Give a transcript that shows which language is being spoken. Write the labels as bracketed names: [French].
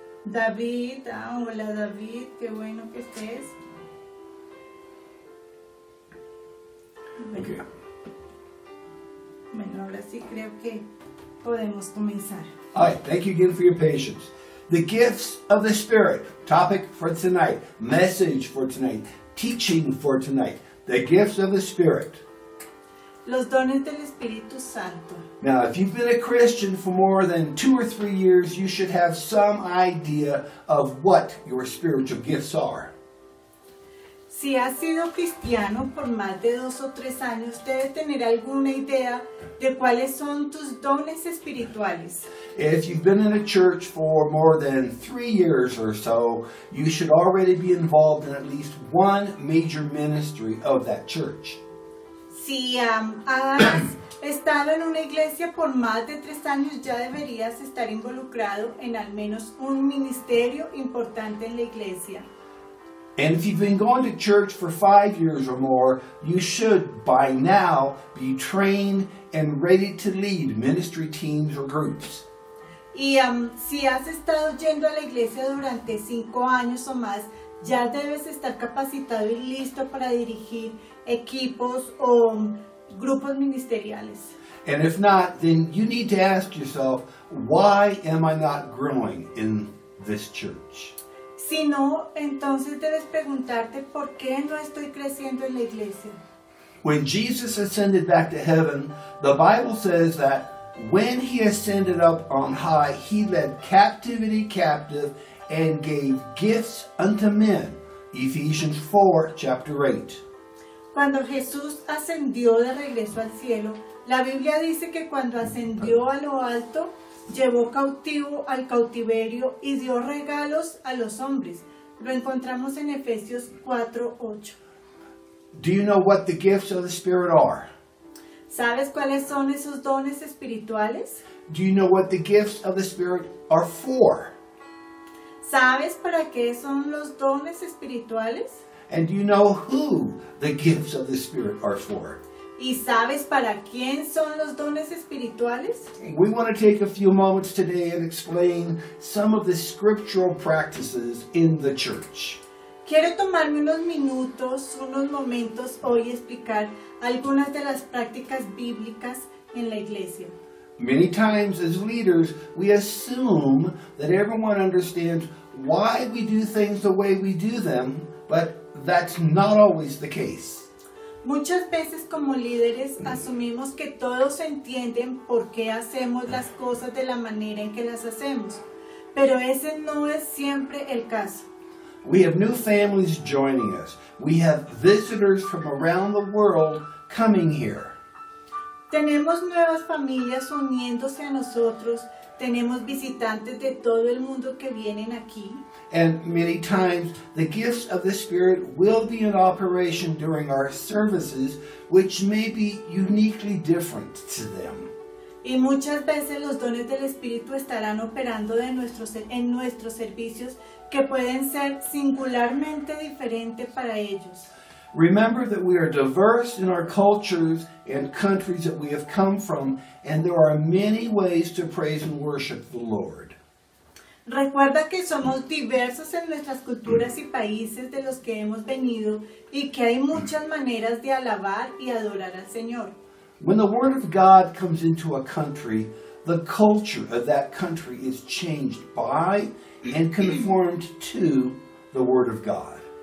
[Spanish] David, hola David, qué bueno que estés. Bueno, ahora sí creo que podemos comenzar. [English] All right, thank you again for your patience. The gifts of the Spirit, topic for tonight, message for tonight, teaching for tonight, the gifts of the Spirit. [Spanish] Los dones del Espíritu Santo. [English] Now, if you've been a Christian for more than 2 or 3 years, you should have some idea of what your spiritual gifts are. [Spanish] Si has sido cristiano por más de 2 o 3 años, debes tener alguna idea de cuáles son tus dones espirituales. [English] If you've been in a church for more than 3 years or so, you should already be involved in at least one major ministry of that church. [Spanish] Si has estado en una iglesia por más de 3 años, ya deberías estar involucrado en al menos un ministerio importante en la iglesia. [English] And if you've been going to church for 5 years or more, you should by now be trained and ready to lead ministry teams or groups. [Spanish] Y si has estado yendo a la iglesia durante 5 años o más, ya debes estar capacitado y listo para dirigir equipos o grupos ministeriales. [English] And if not, then you need to ask yourself, why am I not growing in this church? [Spanish] Si no, entonces debes preguntarte, ¿por qué no estoy creciendo en la iglesia? [English] When Jesus ascended back to heaven, the Bible says that when he ascended up on high, he led captivity captive and gave gifts unto men. Ephesians 4, chapter 8. [Spanish] Cuando Jesús ascendió de regreso al cielo, la Biblia dice que cuando ascendió a lo alto, llevó cautivo al cautiverio y dio regalos a los hombres. Lo encontramos en Efesios 4, 8. [English] Do you know what the gifts of the Spirit are? [Spanish] ¿Sabes cuáles son esos dones espirituales? [English] Do you know what the gifts of the Spirit are for? [Spanish] ¿Sabes para qué son los dones espirituales? [English] And do you know who the gifts of the Spirit are for? [Spanish] ¿Y sabes para quién son los dones espirituales? [English] We want to take a few moments today and explain some of the scriptural practices in the church. [Spanish] Quiero tomarme unos momentos hoy y explicar algunas de las prácticas bíblicas en la iglesia. [English] Many times as leaders, we assume that everyone understands why we do things the way we do them, but that's not always the case. [Spanish] Muchas veces como líderes asumimos que todos entienden por qué hacemos las cosas de la manera en que las hacemos, pero ese no es siempre el caso. [English] We have new families joining us. We have visitors from around the world coming here. [Spanish] Tenemos nuevas familias uniéndose a nosotros. Tenemos visitantes de todo el mundo que vienen aquí. [English] And many times the gifts of the Spirit will be in operation during our services, which may be uniquely different to them. [Spanish] Y muchas veces los dones del Espíritu estarán operando en nuestros servicios, que pueden ser singularmente diferentes para ellos. [English] Remember that we are diverse in our cultures and countries that we have come from, and there are many ways to praise and worship the Lord. [Spanish] Recuerda que somos diversos en nuestras culturas y países de los que hemos venido, y que hay muchas maneras de alabar y adorar al Señor. [English] When the Word of God comes into a country, the culture of that country is changed by and conformed to the Word of God.